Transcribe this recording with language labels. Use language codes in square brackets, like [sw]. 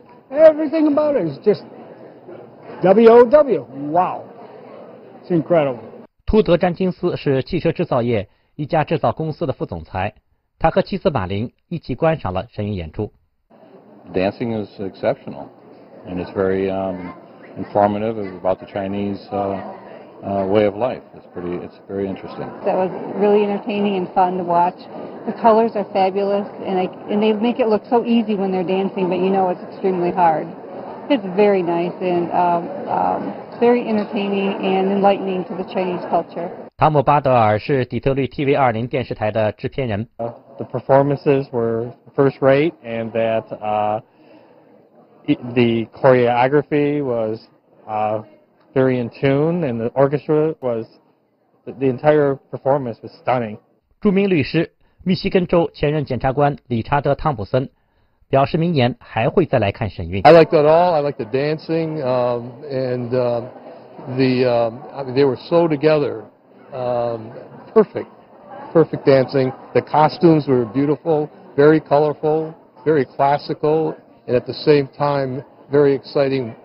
[en] Everything about it is just W-O-W. Wow. It's incredible. [zh] 图德·詹金斯是汽车制造业一家制造公司的副总裁，他和妻子马林一起观赏了神韵演出。 [en] Dancing is exceptional, and it's very informative. It's about the Chinese way of life. It's very interesting. That was really entertaining and fun to watch. The colors are fabulous, and they make it look so easy when they're dancing, but you know it's extremely hard. It's very nice and very entertaining and enlightening to the Chinese culture. [zh] 汤姆·巴德尔是底特律 TV20 电视台的制片人。 [en] The performances were first rate, and that the choreography was very in tune, and the orchestra was, the entire performance was stunning. [zh] 著名律师密西根州前任检察官理查德·汤普森表示，明年还会再来看神韵。 [en] I liked it all. I liked the dancing, they were so together, perfect dancing. The costumes were beautiful, very colorful, very classical, and at the same time very exciting.